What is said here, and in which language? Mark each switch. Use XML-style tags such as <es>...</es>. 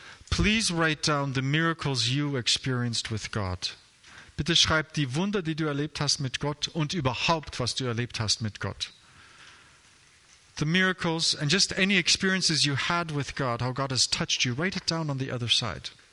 <en>Please write down the miracles you experienced with God.</en> <de>Bitte schreib die Wunder, die du erlebt hast mit Gott und überhaupt, was du erlebt hast mit Gott.</de> <en>The miracles and just any experiences you had with God, how God has touched you, write it down on the other side.</en>